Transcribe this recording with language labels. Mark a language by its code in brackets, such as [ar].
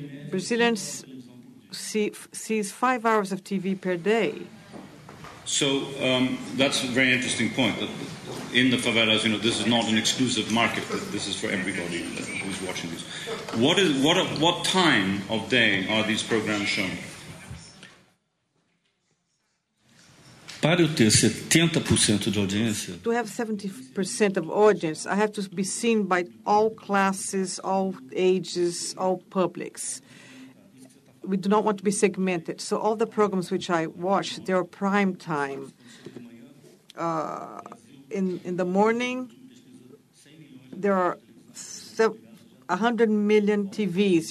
[en] Brazilians sees 5 hours of TV per day. So that's a very interesting point. That in the favelas, you know, this is not an exclusive market. This is for everybody who's watching this. What time of day are these programs shown? [pt] Para eu ter 70% de audiência. [en] To have 70% of audience, I have to be seen by all classes, all ages, all publics. We do not want to be segmented. So all the programs which I watch, they are prime time. In the morning, there are 100 million TVs.